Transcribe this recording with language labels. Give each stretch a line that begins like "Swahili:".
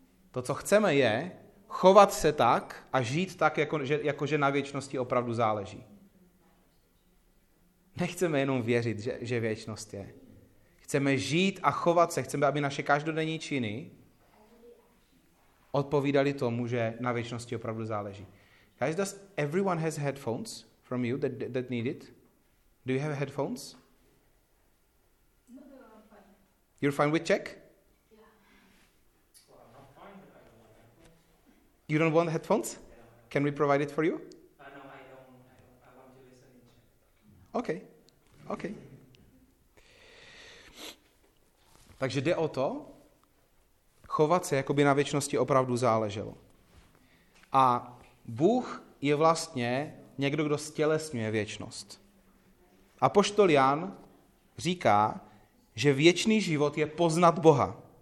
Czech: To, co chceme, je chovat se tak a žít tak, jako že na věčnosti opravdu záleží. Nechceme jenom věřit, že věčnost je. Chceme žít a chovat se, chceme, aby naše každodenní činy odpovídaly tomu, že na věčnosti opravdu záleží.
English: Guys, does everyone has headphones from you that need it? Do you have headphones? You're fine with Czech? You don't want headphones? Can we provide it for you? No, I don't. I want to listen in Czech. Okay.
Czech: Takže jde o to, chovat se, jako by na věčnosti opravdu záleželo. A Bůh je vlastně někdo, kdo stělesňuje věčnost. Apoštol Jan říká, že věčný život je poznat Boha.